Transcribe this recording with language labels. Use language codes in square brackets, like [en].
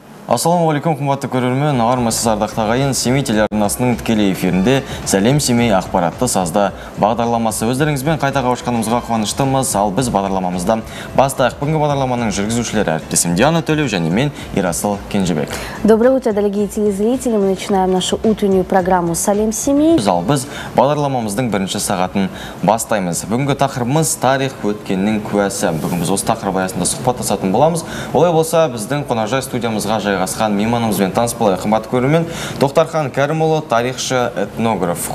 [kk] Ассаламу алейкум, құрметті көрермен, армысыз ардақты ағайын, Семей телеарнасының тікелей эфирінде «Сәлем Семей» ақпаратты сазда бағдарламасы. Өздеріңізбен қайта қауышқанымызға қуаныштымыз, ал біз бағдарламамызда бастайық. Бүгінгі бағдарламаның жүргізушілері әріптесім Диана Төлеу және мен Ерасыл Кенжебек. [ru] Доброе утро, дорогие телезрители, мы начинаем нашу утреннюю программу «Сәлем Семей». [kk] Біз бағдарламамыздың бірінші сағатын бастаймыз. Бүгінгі тақырыбымыз «Тарих өткеннің куәсі». Бүгін біз осы тақырып аясында сұхбаттасатын боламыз. Олай болса, біздің қонақжай студиямызға жайғасқан мейманымызбен таныс болайық. Қымбатты көрермен, Тоқтархан Кәрімұлы, тарихшы, этнограф.